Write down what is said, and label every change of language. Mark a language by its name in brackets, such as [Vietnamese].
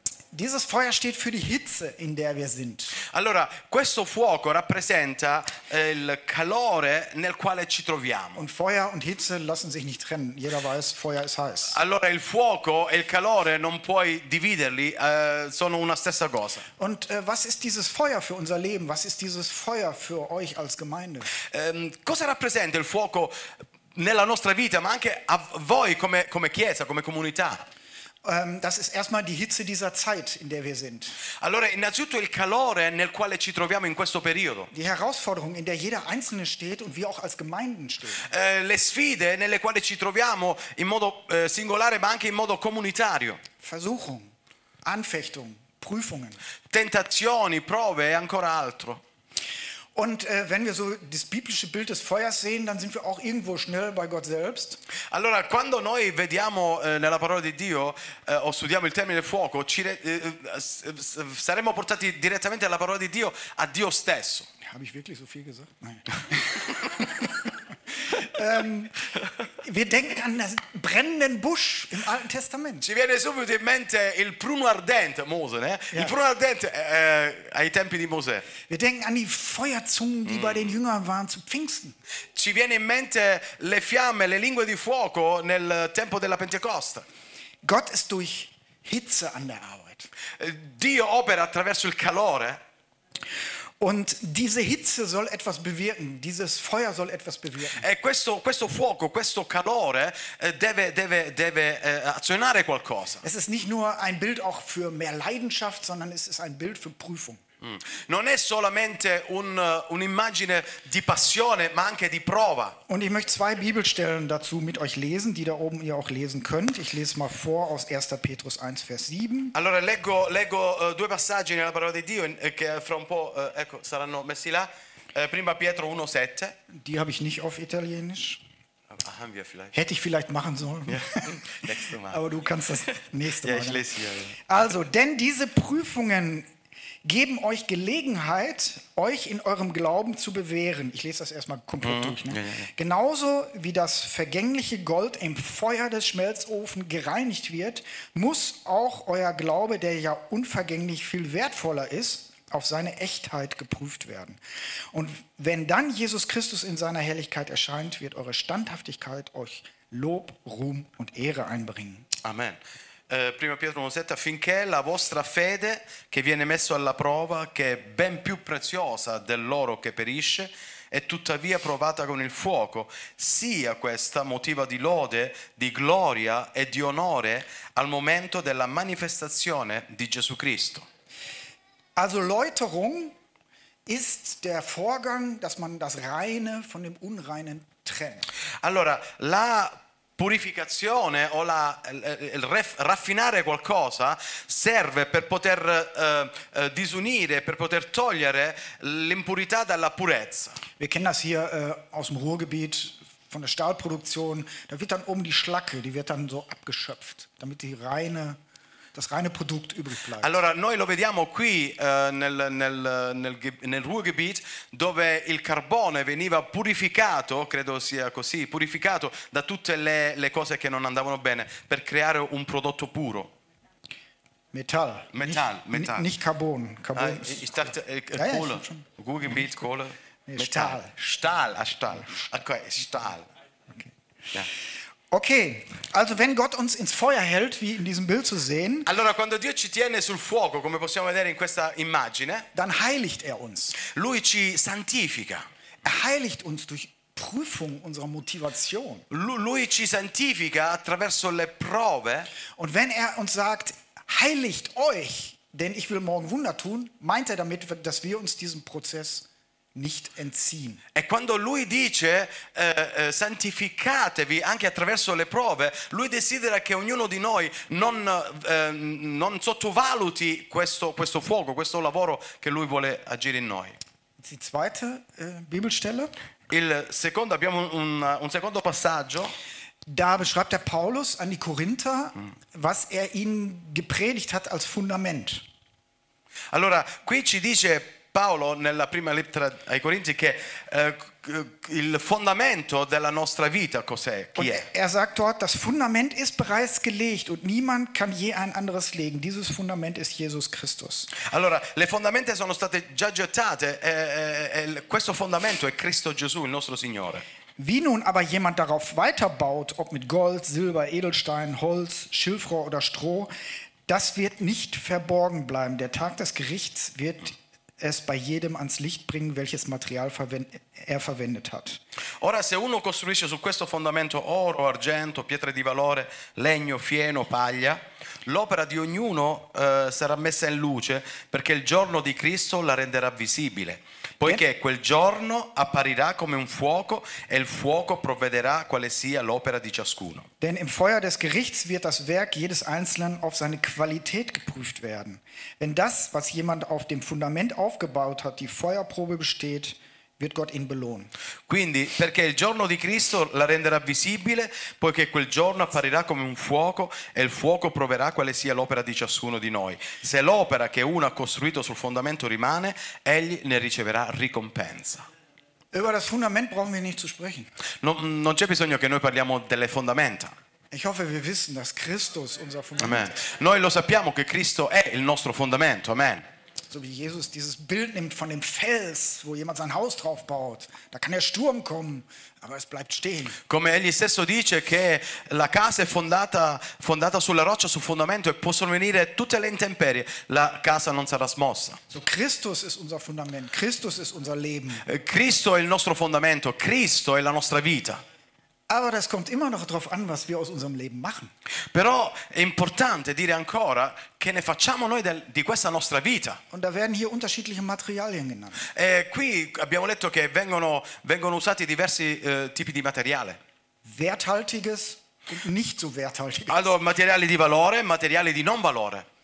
[German] Dieses Feuer steht für die Hitze, in der wir sind. [Italian] Allora, questo fuoco rappresenta il calore nel quale ci troviamo. [German] Und Feuer und Hitze lassen sich nicht trennen. Jeder weiß, Feuer ist heiß. [Italian] Allora, il fuoco e il calore non puoi dividerli, sono una stessa cosa. [German] Und was ist dieses Feuer für unser Leben? Was ist dieses Feuer für euch als Gemeinde? [Italian] Cosa rappresenta il fuoco nella nostra vita, ma anche a voi come chiesa, come comunità? [German] Das ist erstmal die Hitze dieser Zeit, in der wir sind. [Italian] Allora, innanzitutto il calore nel quale ci troviamo in questo periodo. [German] Die Herausforderung, in der jeder Einzelne steht und wir auch als Gemeinden stehen. [Italian] Le sfide nelle quali ci troviamo in modo singolare, ma anche in modo comunitario. [German] Versuchung, Anfechtung, Prüfungen. [Italian] Tentazioni, prove e ancora altro. [German] Und wenn wir so das biblische Bild des Feuers sehen, dann sind wir auch irgendwo schnell bei Gott selbst. [Italian] Allora, quando noi vediamo nella parola di Dio o studiamo il termine fuoco, saremmo portati direttamente alla parola di Dio, a Dio stesso. [German] Habe ich wirklich so viel gesagt? Nein. wir denken an den brennenden Busch im Alten Testament. [Italian] Ci viene subito in mente il pruno ardente, Mose, [German] ne? Ja. [Italian] Il pruno ardente ai tempi di Mosè. [German] Wir denken an die Feuerzungen, die bei den Jüngern waren zu Pfingsten. [Italian] Ci viene in mente le fiamme, le lingue di fuoco nel tempo della Pentecoste. [German] Gott ist durch Hitze an der Arbeit. [Italian] Dio opera attraverso il calore. [German] Und diese Hitze soll etwas bewirken, dieses Feuer soll etwas bewirken. [Italian] E questo fuoco, questo calore deve azionare qualcosa. [German] Es ist nicht nur ein Bild auch für mehr Leidenschaft, sondern es ist ein Bild für Prüfung. [Italian] Non è solamente un'immagine di passione, ma anche di prova. [German] Und ich möchte zwei Bibelstellen dazu mit euch lesen, die da oben ihr auch lesen könnt. Ich lese mal vor aus 1. Petrus 1, Vers 7. [Italian] Allora, leggo due passaggi nella parola di Dio, che fra un po', ecco, saranno messi là. Prima Pietro 1, 7. [German] Die habe ich nicht auf Italienisch. Aber haben wir vielleicht. Hätte ich vielleicht machen sollen. Ja. Nächste Mal. Aber du kannst das nächste ja, Mal. Ich lese hier. Also, denn diese Prüfungen geben euch Gelegenheit, euch in eurem Glauben zu bewähren. Ich lese das erstmal komplett durch. Ne? Ja, ja, ja. Genauso wie das vergängliche Gold im Feuer des Schmelzofens gereinigt wird, muss auch euer Glaube, der ja unvergänglich viel wertvoller ist, auf seine Echtheit geprüft werden. Und wenn dann Jesus Christus in seiner Herrlichkeit erscheint, wird eure Standhaftigkeit euch Lob, Ruhm und Ehre einbringen. Amen. [Italian] Prima Pietro 1,7, affinché la vostra fede, che viene messa alla prova, che è ben più preziosa dell'oro che perisce, è tuttavia provata con il fuoco, sia questa motivo di lode, di gloria e di onore al momento della manifestazione di Gesù Cristo. [German] Also Läuterung ist der Vorgang, dass man das Reine von dem Unreinen trennt. [Italian] Allora, la purificazione o la raffinare qualcosa serve per poter disunire, per poter togliere l'impurità dalla purezza. [German] Wir kennen das hier aus dem Ruhrgebiet von der Stahlproduktion, da wird dann oben die Schlacke, die wird dann so abgeschöpft, damit die reine das reine Produkt übrig bleibt. [Italian] Allora noi lo vediamo qui nel Ruhrgebiet, dove il carbone veniva purificato, credo sia così, purificato da tutte le cose che non andavano bene per creare un prodotto puro. [German] Metall. Nicht Carbon. Ich dachte Kohle. Ruhrgebiet, Kohle. Metall. Stahl. Okay, Stahl. Okay. Ja. Okay, also wenn Gott uns ins Feuer hält, wie in diesem Bild zu sehen, [Italian] allora, quando Dio ci tiene sul fuoco, come possiamo vedere in questa immagine, [German] dann heiligt er uns. [Italian] Lui ci santifica. [German] Er heiligt uns durch Prüfung unserer Motivation. [Italian] Lui ci santifica attraverso le prove. [German] Und wenn er uns sagt, heiligt euch, denn ich will morgen Wunder tun, meint er damit, dass wir uns diesem Prozess nicht entziehen. [Italian] E quando lui dice santificatevi anche attraverso le prove, lui desidera che ognuno di noi non sottovaluti questo fuoco, questo lavoro che lui vuole agire in noi. [German] Die zweite Bibelstelle. [Italian] Il secondo, abbiamo un secondo passaggio. [German] Da beschreibt der Paulus an die Korinther, was er ihnen gepredigt hat als Fundament. [Italian] Allora, qui ci dice Paolo nella prima lettera ai Corinzi che il fondamento della nostra vita cos'è? Chi è? [German] Er sagt dort, das Fundament ist bereits gelegt und niemand kann je ein anderes legen. Dieses Fundament ist Jesus Christus. [Italian] Allora, le fondamenta sono state già gettate e questo fondamento è Cristo Gesù, il nostro Signore. [German] Wie nun aber jemand darauf weiterbaut, ob mit Gold, Silber, Edelstein, Holz, Schilfrohr oder Stroh, das wird nicht verborgen bleiben. Der Tag des Gerichts wird es bei jedem ans Licht bringen, welches Material er verwendet hat. [Italian] Ora, se uno costruisce su questo fondamento oro, argento, pietre di valore, legno, fieno, paglia, l'opera di ognuno sarà messa in luce, perché il giorno di Cristo la renderà visibile, poiché quel giorno apparirà come un fuoco e il fuoco provvederà quale sia l'opera di ciascuno. [German] Denn im Feuer des Gerichts wird das Werk jedes Einzelnen auf seine Qualität geprüft werden. Wenn das, was jemand auf dem Fundament aufgebaut hat, die Feuerprobe besteht, wird Gott ihn belohnen. [Italian] Quindi, perché il giorno di Cristo la renderà visibile, poiché quel giorno apparirà come un fuoco e il fuoco proverà quale sia l'opera di ciascuno di noi. Se l'opera che uno ha costruito sul fondamento rimane, egli ne riceverà ricompensa. [German] Über das Fundament brauchen wir nicht zu sprechen. [Italian] Non c'è bisogno che noi parliamo delle fondamenta. [German] Ich hoffe, wir wissen, dass Christus unser Fundament. Amen. [Italian] Noi lo sappiamo che Cristo è il nostro fondamento. Amen. [German] So wie Jesus dieses Bild nimmt von dem Fels, wo jemand sein Haus drauf baut. Da kann der Sturm kommen, aber es bleibt stehen. [Italian] Come egli stesso dice che la casa è fondata sulla roccia, sul fondamento, e possono venire tutte le intemperie, la casa non sarà smossa. [German] So Christus ist unser Fundament, Christus ist unser Leben. [Italian] Cristo è il nostro fondamento, Cristo è la nostra vita. [German] Aber das kommt immer noch darauf an, was wir aus unserem Leben machen. [Italian] Però è importante dire ancora che ne facciamo noi di questa nostra vita. [German] Und da werden hier unterschiedliche Materialien genannt. [Italian] E qui abbiamo letto che vengono usati diversi tipi di materiale. [German] Werthaltiges und nicht so werthaltiges. [Italian] Also materiali di valore, materiali di non valore.